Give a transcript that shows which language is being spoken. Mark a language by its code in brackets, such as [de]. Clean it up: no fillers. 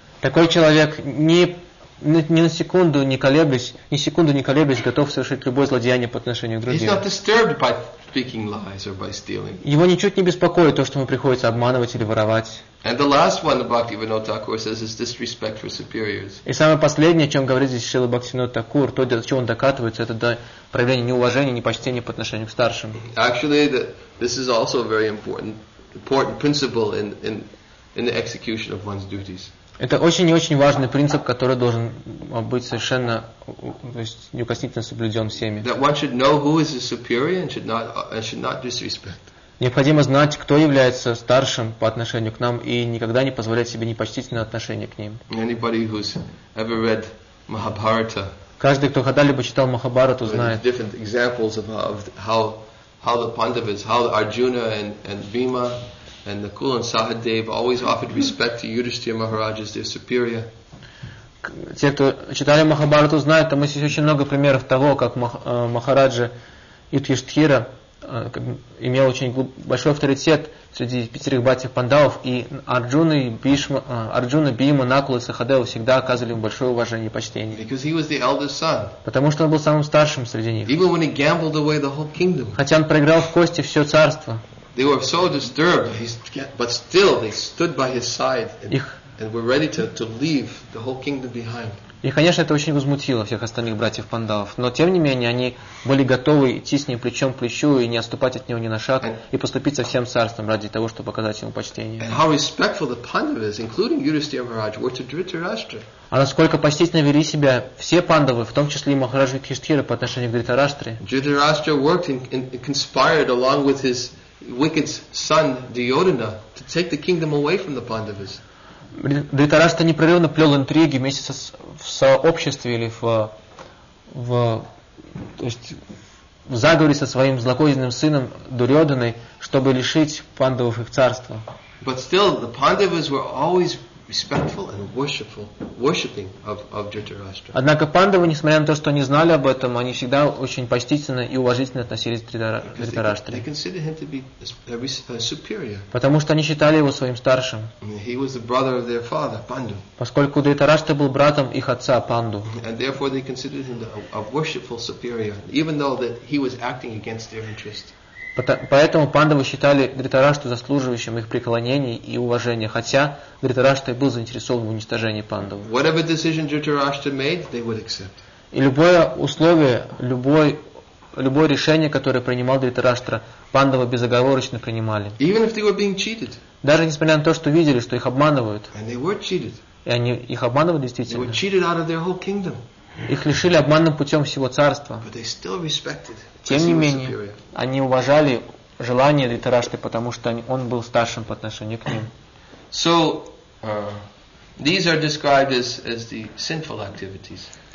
[ru] Такой человек ни секунду не колеблясь, готов совершить любое злодеяние по отношению к другим. [en] He's not disturbed by speaking lies or by stealing. [ru] Его ничуть не беспокоит то, что ему приходится обманывать или воровать. [en] And the last one the Bhaktivinoda Thakur says is disrespect for superiors. [ru] И самое последнее, о чем говорит здесь Шрила Бхактивинода Тхакур, то, до чего он докатывается, это до проявления неуважения, непочтения по отношению к старшим. [en] Actually, this is also a very important principle in the execution of one's duties. [ru] Это очень и очень важный принцип, который должен быть совершенно, то есть неукоснительно соблюден всеми. [en] That one should know who is his superior and should not disrespect. [ru] Необходимо знать, кто является старшим по отношению к нам и никогда не позволять себе непочтительное отношение к ним. [en] Anybody who's ever read Mahabharata, [ru] Каждый, кто когда-либо читал Махабарату, знает. [en] Different examples of how the Pandavas, how Arjuna and Bhima and Nakul and Sahadeva always offered respect to Yudhishthira Maharaj as their superior. [ru] Те, кто читали Махабарату, знают, там есть очень много примеров того, как Махараджа Юдхиштхира имел очень большой авторитет среди пятерых братьев Пандавов, и Арджуна, Бхима, Накула и Сахадева всегда оказывали ему большое уважение и почтение. [en] Because he was the eldest son. [ru] Потому что он был самым старшим среди них. [en] Even when he gambled away the whole kingdom. [ru] Хотя он проиграл в кости все царство. [en] They were so disturbed, but still they stood by his side. And we're ready to leave the whole kingdom behind. [ru] И, конечно, это очень возмутило всех остальных братьев Пандавов. Но, тем не менее, они были готовы идти с ним плечом к плечу и не отступать от него ни на шаг, и поступить со всем царством ради того, чтобы показать ему почтение. [en] And how respectful the Pandavas, including Yudhishthira Maharaj, were to Dhritarashtra. [ru] А насколько почтительно вели себя все Пандавы, в том числе и Махарадж Юдхиштхира, по отношению к Дхритараштре. [en] Dhritarashtra worked and conspired along with his wicked son, Duryodhana, to take the kingdom away from the Pandavas. [ru] Дхритарашта непрерывно плел интриги вместе со, в сообществе или в, то есть, в заговоре со своим злокозненным сыном Дурьодханой, чтобы лишить пандавов их царства. [en] But still, the Pandavas were always respectful and worshipping of Dhritarashtra. [ru] Однако пандавы, несмотря на то, что они знали об этом, они всегда очень почтительно и уважительно относились к Дхритараштре. [en] They considered him to be a superior. [ru] Потому что они считали его своим старшим. [en] He was the brother of their father, Pandu. [ru] Поскольку Дхритарашта был братом их отца Панду. [en] And therefore they considered him a worshipful superior, even though that he was acting against their interests. [ru] Поэтому пандавы считали Дхритарашту заслуживающим их преклонений и уважения, хотя Дхритарашта и был заинтересован в уничтожении пандавы. [en] Whatever decision Dhritarashtra made, they would accept. [ru] И любое условие, любое решение, которое принимал Дхритарашта, пандавы безоговорочно принимали. [en] Even if they were being cheated. [ru] Даже несмотря на то, что видели, что их обманывают. [en] And they were cheated. [ru] И они их обманывали действительно. [en] They were cheated out of their whole kingdom. [ru] Их лишили обманным путем всего царства. Тем не менее, они уважали желание Дхритарашты, потому что он был старшим по отношению к ним. [en] So, these are described as the sinful activities.